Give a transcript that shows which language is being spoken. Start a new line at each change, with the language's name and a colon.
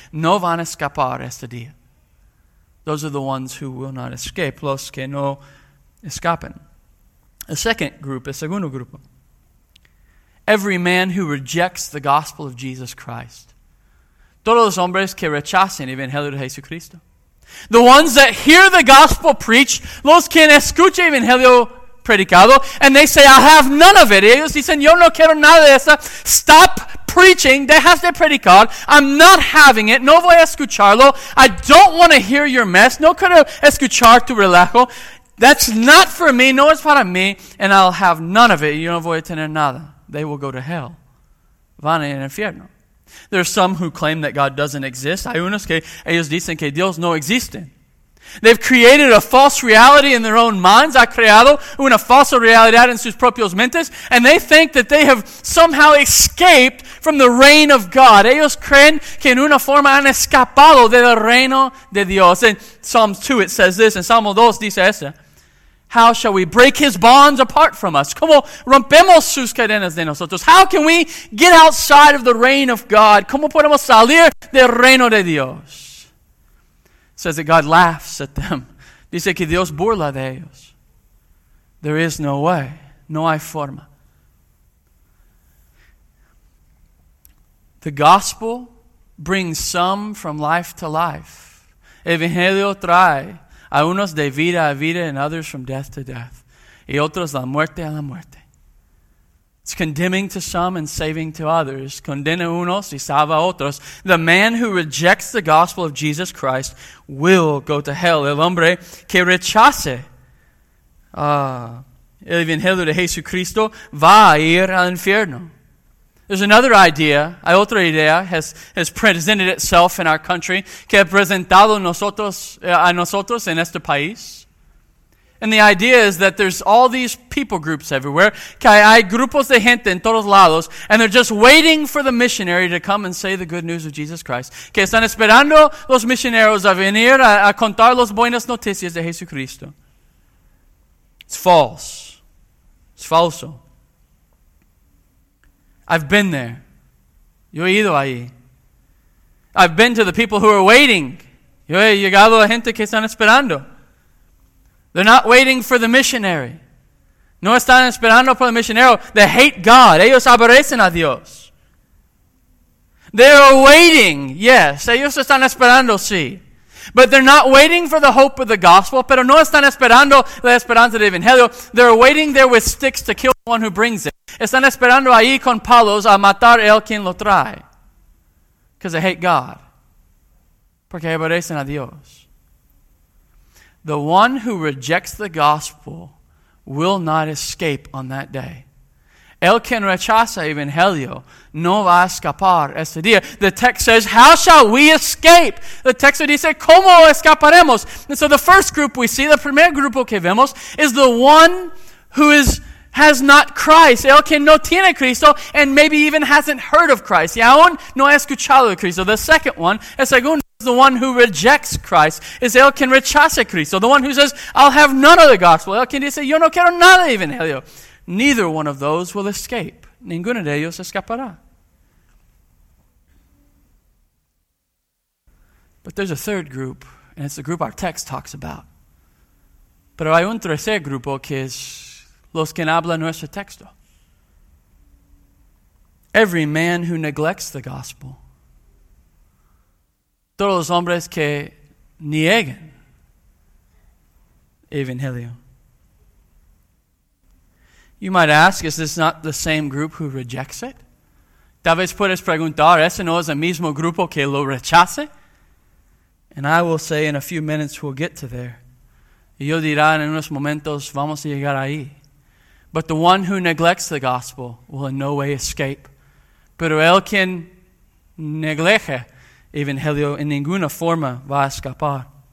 Spanish: No van a escapar este día.
English: Those are the ones who will not escape,
Spanish: los que no escapen.
English: A second group,
Spanish: a segundo grupo.
English: Every man who rejects the gospel of Jesus Christ.
Spanish: Todos los hombres que rechacen el Evangelio de Jesucristo.
English: The ones that hear the gospel preached,
Spanish: los que escuchan el Evangelio predicado,
English: and they say, I have none of it.
Spanish: Ellos dicen, yo no quiero nada de eso.
English: Stop preaching,
Spanish: dejas de predicar.
English: I'm not having it.
Spanish: No voy a escucharlo.
English: I don't want to hear your mess.
Spanish: No quiero escuchar tu relajo.
English: That's not for me.
Spanish: No es para mí.
English: And I'll have none of it.
Spanish: Yo no voy a tener nada.
English: They will go to hell.
Spanish: Van al infierno.
English: There are some who claim that God doesn't exist.
Spanish: Hay unos que ellos dicen que Dios no existe.
English: They've created a false reality in their own minds.
Spanish: Ha creado una falsa realidad en sus propios mentes.
English: And they think that they have somehow escaped from the reign of God.
Spanish: Ellos creen que en una forma han escapado del reino de Dios.
English: In Psalms 2 it says this. In Psalm 2
Spanish: dice esto.
English: How shall we break his bonds apart from us?
Spanish: ¿Cómo rompemos sus cadenas de nosotros?
English: How can we get outside of the reign of God?
Spanish: ¿Cómo podemos salir del reino de Dios?
English: It says that God laughs at them.
Spanish: Dice que Dios burla de ellos.
English: There is no way.
Spanish: No hay forma.
English: The gospel brings some from life to life.
Spanish: Evangelio trae. A unos de vida a vida
English: and others from death to death.
Spanish: Y otros la muerte a la muerte.
English: It's condemning to some and saving to others.
Spanish: Condena unos y salva a otros.
English: The man who rejects the gospel of Jesus Christ will go to hell.
Spanish: El hombre que rechace el Evangelio de Jesucristo va a ir al infierno.
English: There's another idea,
Spanish: otra idea
English: has presented itself in our country,
Spanish: que ha presentado a nosotros en este país.
English: And the idea is that there's all these people groups everywhere,
Spanish: que hay grupos de gente en todos lados,
English: and they're just waiting for the missionary to come and say the good news of Jesus Christ.
Spanish: Que están esperando los misioneros a venir a contar las buenas noticias de Jesucristo.
English: It's false. It's falso. I've been there.
Spanish: Yo he ido ahí.
English: I've been to the people who are waiting.
Spanish: Yo he llegado a gente que están esperando.
English: They're not waiting for the missionary.
Spanish: No están esperando por el misionero.
English: They hate God.
Spanish: Ellos aborrecen a Dios.
English: They're waiting, yes.
Spanish: Ellos están esperando, sí.
English: But they're not waiting for the hope of the gospel.
Spanish: Pero no están esperando la esperanza del evangelio.
English: They're waiting there with sticks to kill the one who brings it.
Spanish: Están esperando ahí con palos a matar el quien lo trae.
English: Because they hate God.
Spanish: Porque aborrecen a Dios.
English: The one who rejects the gospel will not escape on that day.
Spanish: El quien rechaza el evangelio no va a escapar ese día.
English: The text says, how shall we escape? The text would say,
Spanish: ¿cómo escaparemos?
English: And so the first group we see, the
Spanish: primer grupo que vemos,
English: is the one who has not Christ.
Spanish: El quien no tiene Cristo,
English: and maybe even hasn't heard of Christ.
Spanish: Y aún no ha escuchado de Cristo.
English: The second one,
Spanish: el segundo,
English: is the one who rejects Christ.
Spanish: Is el quien rechaza Cristo.
English: The one who says, I'll have none of the gospel.
Spanish: El quien dice, yo no quiero nada de evangelio.
English: Neither one of those will escape.
Spanish: Ninguno de ellos escapará.
English: But there's a third group, and it's the group our text talks about.
Spanish: Pero hay un tercer grupo que es los que hablan nuestro texto.
English: Every man who neglects the gospel.
Spanish: Todos los hombres que nieguen evangelio.
English: You might ask, is this not the same group who rejects it?
Spanish: Tal vez puedes preguntar, ¿ese no es el mismo grupo que lo rechace?
English: And I will say in a few minutes we'll get to there.
Spanish: Y yo dirá en unos momentos, vamos a llegar ahí.
English: But the one who neglects the gospel will in no way escape.
Spanish: Pero el quien negleje evangelio en ninguna forma va a escapar.